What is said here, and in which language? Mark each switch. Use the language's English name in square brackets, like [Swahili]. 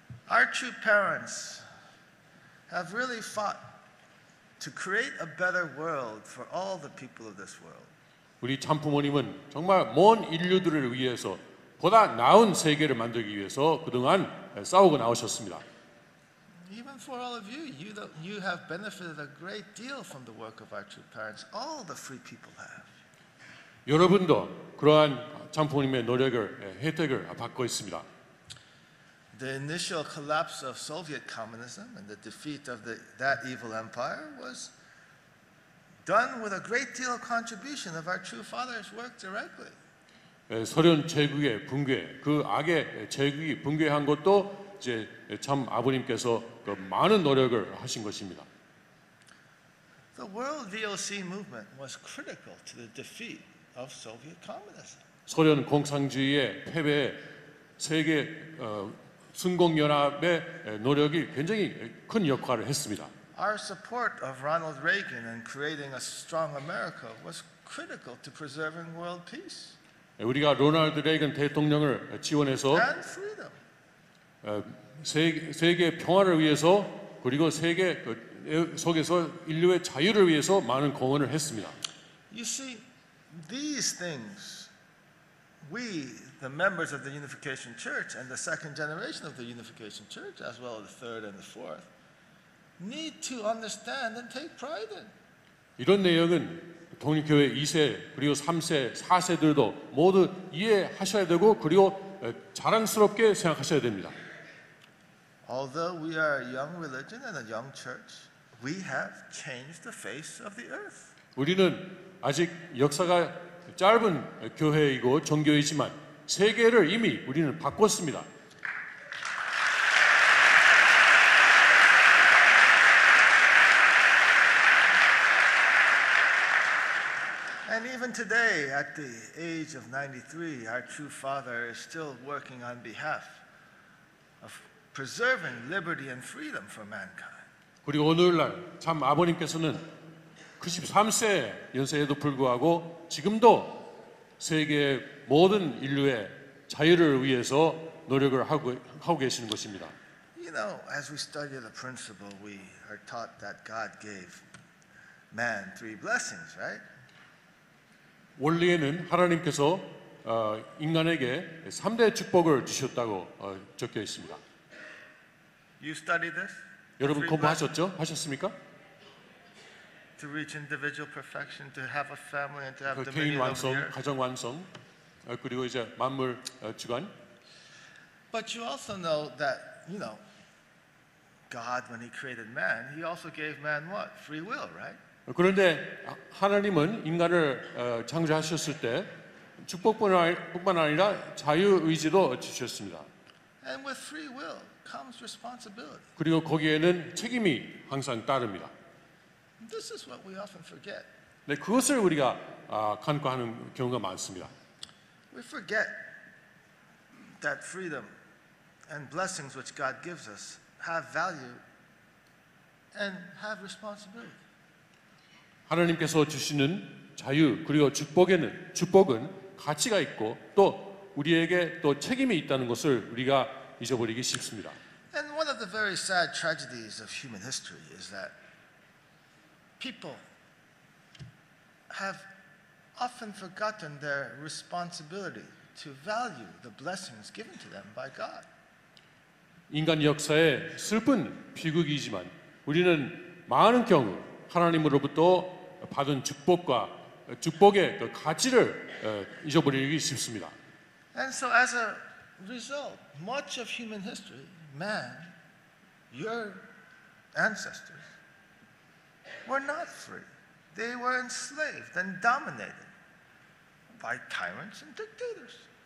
[English] Our two parents have really fought to create a better world for all the people of this world. [Korean] 우리 참부모님은 정말 먼 인류들을 위해서 보다 나은 세계를 만들기 위해서 그동안 싸우고 나오셨습니다. [English] Even for all of you, you have benefited a great deal from the work of our two parents. All the free people have. [Korean] 여러분도 그러한 참부모님의 노력을 혜택을 받고 있습니다. [English] The initial collapse of Soviet communism and the defeat of that evil empire was done with a great deal of contribution of our true father's work directly. [Korean] 소련 제국의 붕괴, 그 악의 제국이 붕괴한 것도 이제 참 아버님께서 그 많은 노력을 하신 것입니다. [English] The World VOC movement was critical to the defeat of Soviet communism. [Korean] 소련 공산주의의 패배에 세계 순공연합의 노력이 굉장히 큰 역할을 했습니다. [English] Our support of Ronald Reagan and creating a strong America was critical to preserving world peace. [Korean] 우리가 로널드 레이건 대통령을 지원해서 [English] and freedom. [Korean] 세계 평화를 위해서 그리고 세계 속에서 인류의 자유를 위해서 많은 공헌을 했습니다. [English] You see, these things we, the members of the Unification Church and the second generation of the Unification Church, as well as the third and the fourth, need to understand and take pride in. [Korean] 이런 내용은 독립교회 2세 그리고 3세, 4세들도 모두 이해하셔야 되고 그리고 자랑스럽게 생각하셔야 됩니다. [English] Although we are a young religion and a young church, we have changed the face of the earth. [Korean] 우리는 아직 역사가 짧은 교회이고 종교이지만 세계를 이미 우리는 바꿨습니다. [English] And even today, at the age of 93, our true father is still working on behalf of preserving liberty and freedom for mankind. [Korean] 그리고 오늘날 참 아버님께서는 93세 연세에도 불구하고 지금도 세계 모든 인류의 자유를 위해서 노력을 하고 계시는 것입니다. [English] You know, as we study the principle, we are taught that God gave man three blessings, right? [Korean] 원리에는 하나님께서 인간에게 3대 축복을 주셨다고 적혀 있습니다. [English] You study this? [Korean] 여러분 공부하셨죠? 하셨습니까? [English] To reach individual perfection, to have a family, and to have dominion. [Korean] 개인 완성, 가정 완성, 그리고 이제 만물 주관. [English] But you also know that, you know, God, when He created man, He also gave man what? Free will, right? [Korean] 그런데 하나님은 인간을 창조하셨을 때 축복뿐만 아니라 자유 의지도 주셨습니다. [English] And with free will comes responsibility. [Korean] 그리고 거기에는 책임이 항상 따릅니다. [English] This is what we often forget. [Korean] 네, 그것을 우리가 간과하는 경우가 많습니다. [English] We forget that freedom and blessings which God gives us have value and have responsibility. [Korean] 하나님께서 주시는 자유 그리고 축복은 가치가 있고 또 우리에게 또 책임이 있다는 것을 우리가 잊어버리기 쉽습니다. [English] And one of the very sad tragedies of human history is that people have often forgotten their responsibility to value the blessings given to them by God. [Korean] 인간 역사의 슬픈 비극이지만 우리는 많은 경우 하나님으로부터 받은 축복과 축복의 그 가치를 잊어버리기 쉽습니다. [English] And so as a result, much of human history, man, your ancestors, were not free. They were enslaved and dominated by tyrants and dictators.